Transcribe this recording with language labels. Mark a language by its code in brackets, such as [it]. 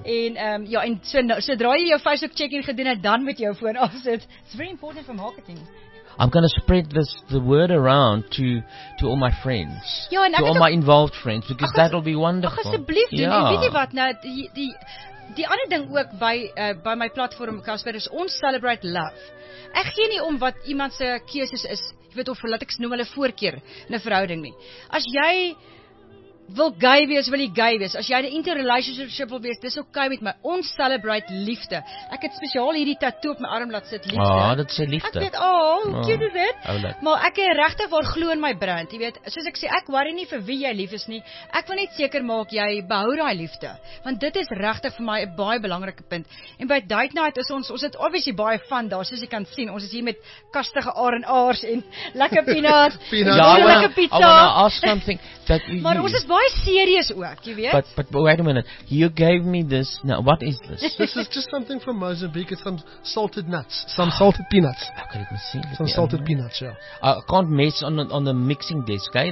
[af] En, ja, en sodra jy jou Facebook check-in gedoen het, dan moet jy jou foon afsit. [en] It's very important for marketing. I'm going to spread this the word around to all my friends. [af] Ja, en [en] to all my involved friends, because that will be wonderful. [af] Ach, asseblief, ja. Doen. Weet jy wat, nou, die ander ding ook by my platform, Casper, is ons celebrate love. Ek gee nie om wat iemand se keuses is, jy weet of laat ek noem hulle voorkeur in 'n verhouding nie. As jy wil gay wees, wil jy gay wees. As jy 'n interrelationship wil wees, dis okay met my. Ons celebrate liefde. Ek het spesiaal hierdie tattoo op my arm laat sit, liefde. Ah, dit sê liefde. Ek weet, oh, hoe cute is dit? Maar ek het regtig waar glo in my brand, jy weet. Soos ek sê, ek worry nie vir wie jy lief is nie. Ek wil net seker maak jy behou daai liefde, want dit is regtig vir my 'n baie belangrike punt. En by Date Night is ons het obviously baie fun daar, soos jy kan sien. Ons is hier met kastige R&R's en lekker pinaas. Ja, lekker pizza. [en] I wanna ask something that you [af] maar ons is baie serious ook, jy weet. [en] But wait a minute. You gave me this. Now, what is this? This is just something from Mozambique. It's some salted nuts. Some salted peanuts. Okay, let me see. Some salted peanuts, yeah. I can't mess on the mixing desk, okay?